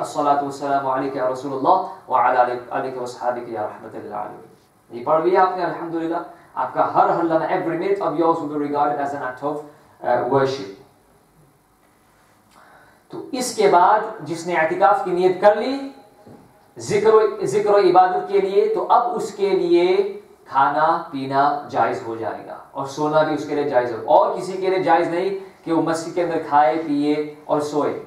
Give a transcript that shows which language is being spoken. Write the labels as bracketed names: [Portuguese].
[Arabic] الصلاة والسلام عليك يا رسول الله وعلى اليك واصحابك يا رحمة للعالمين. [Urdu] یہ پڑھ لیا آپ نے, الحمد للہ آپ کا ہر لمحہ, [English] every minute of yours will be regarded as an act of worship. [Urdu] تو اس کے بعد جس نے اعتکاف کی نیت کر لی ذکر و عبادت کے لیے, تو اب اس کے لیے کھانا پینا جائز ہو جائے گا اور سونا بھی اس کے لیے جائز ہو, اور کسی کے لیے جائز نہیں کہ وہ مسجد کے اندر کھائے پیئے اور سوئے.